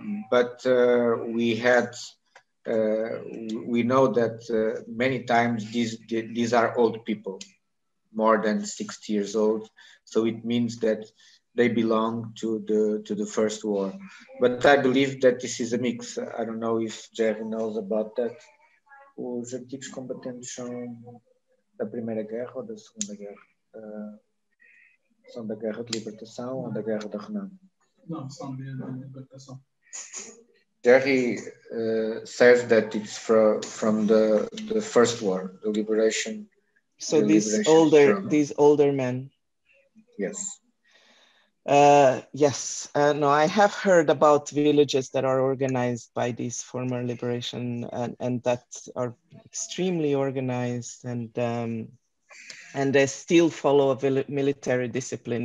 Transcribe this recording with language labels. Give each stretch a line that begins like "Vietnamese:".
English: But we know that many times these are old people, more than 60 years old. So it means that they belong to the first war. But I believe that this is a mix. I don't know if Jerry knows about that.
Portuguese: Os antigos combatentes são da Primeira Guerra ou da Segunda Guerra? São da Guerra de Libertação ou da Guerra da Renan? Não, são da Libertação.
English: Jerry says that it's from the first war, the liberation So these older men. Yes. Yes. No, I have heard about villages that are organized by these former liberation and that are extremely organized and they still follow a military discipline.